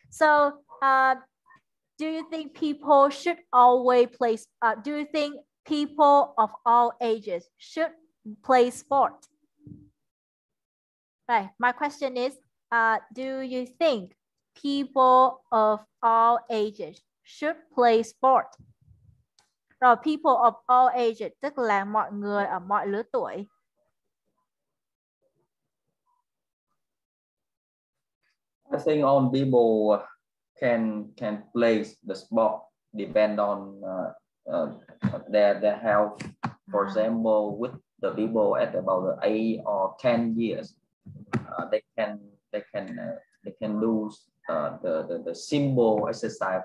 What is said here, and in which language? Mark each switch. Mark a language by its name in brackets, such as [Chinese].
[English] So, do you think people should always play? Do you think people of all ages should play sport? Right. My question is, do you think people of all ages should play sport? [Vietnamese] Rồi, [English] people of all ages, [Vietnamese] tức là mọi người ở mọi lứa tuổi. [English] I think all people can play the sport depend on their health. For example, with the people at about 8 or 10 years, they can do the simple exercise.